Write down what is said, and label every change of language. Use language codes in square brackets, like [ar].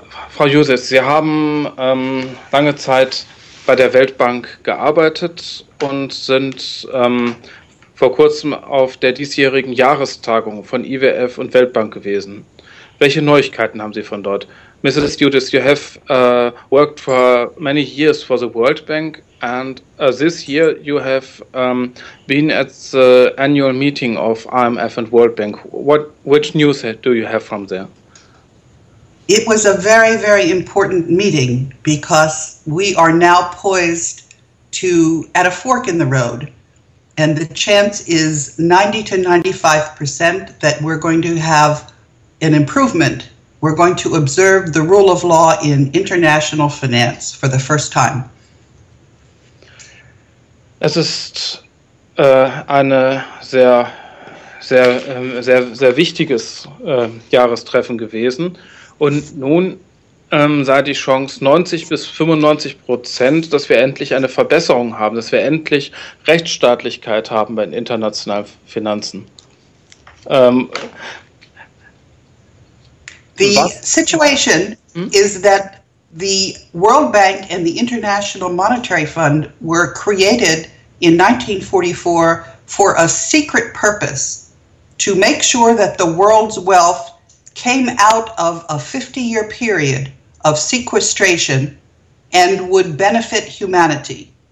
[de] Frau Judis, Sie haben lange Zeit bei der Weltbank gearbeitet und sind vor kurzem auf der diesjährigen Jahrestagung von IWF und Weltbank gewesen. Welche Neuigkeiten haben Sie von dort? Mrs. [en] Judis, you have worked for many years for the World Bank, and this year you have been at the annual meeting of IMF and World Bank. Which news do you have from there? It was a very, very important meeting because we are now poised to at a fork in the road, and the chance is 90% to 95% that we're going to have an improvement. We're going to observe the rule of law in international finance for the first time. [de] Es ist eine sehr, sehr, sehr, sehr wichtiges Jahrestreffen gewesen. Und nun sei die Chance 90% to 95%, dass wir endlich eine Verbesserung haben, dass wir endlich Rechtsstaatlichkeit haben bei den internationalen Finanzen. [en] The situation is that the World Bank and the International Monetary Fund were created in 1944 for a secret purpose, to make sure that the world's wealth came out of a 50-year period of sequestration and would benefit humanity.